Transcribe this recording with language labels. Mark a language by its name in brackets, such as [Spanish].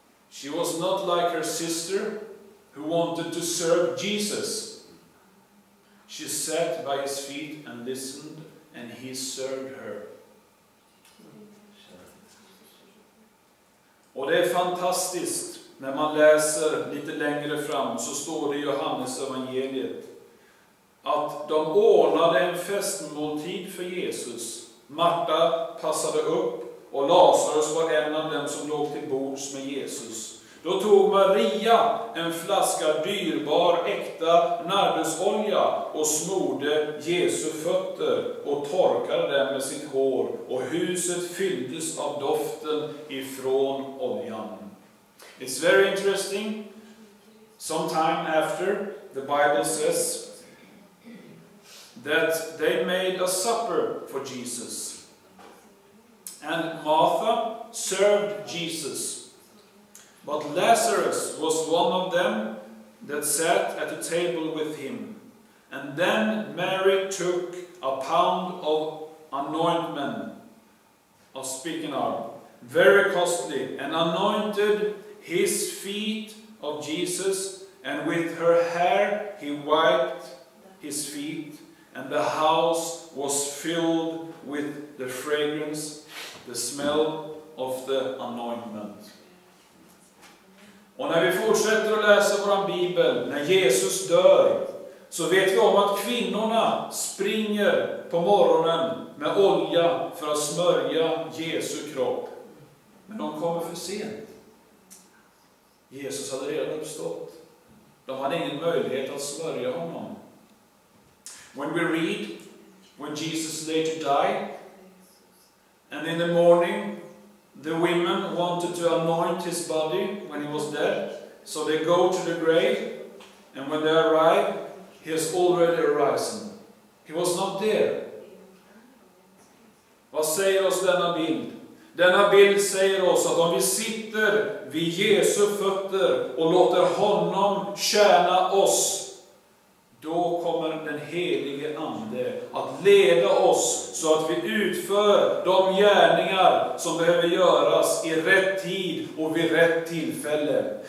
[English] She was not like her sister who wanted to serve Jesus. She sat by his feet and listened, and he served her. [Swedish] Och det är fantastiskt när man läser lite längre fram, så står det i Johannes evangeliet att de ordnade en festmåltid för Jesus. Marta passade upp och Lazarus var en av dem som låg till bords med Jesus. Då tog Maria en flaska dyrbar äkta nardusolja och smorde Jesu fötter och torkade dem med sitt hår, och huset fylldes av doften ifrån oljan. [English] It's very interesting. Sometime after, the Bible says that they made a supper for Jesus. And Martha served Jesus. But Lazarus was one of them that sat at the table with him. And then Mary took a pound of anointment, of spikenard, very costly, and anointed his feet of Jesus, and with her hair he wiped his feet, and the house was filled with the fragrance, the smell of the anointment. [Swedish] Och när vi fortsätter att läsa våran bibel, när Jesus dör, så vet vi om att kvinnorna springer på morgonen med olja för att smörja Jesu kropp. Men de kommer för sent. Jesus hade redan uppstått. De hade ingen möjlighet att smörja honom. [English] When we read, when Jesus later died, and in the morning, the women wanted to anoint his body when he was dead, so they go to the grave, and when they arrive, he has already arisen. He was not there. [Swedish] Vad säger oss denna bild? Denna bild säger oss att om vi sitter vid Jesu fötter och låter honom tjäna oss, då kommer den helige ande att leda oss så att vi utför de gärningar som behöver göras i rätt tid och vid rätt tillfälle.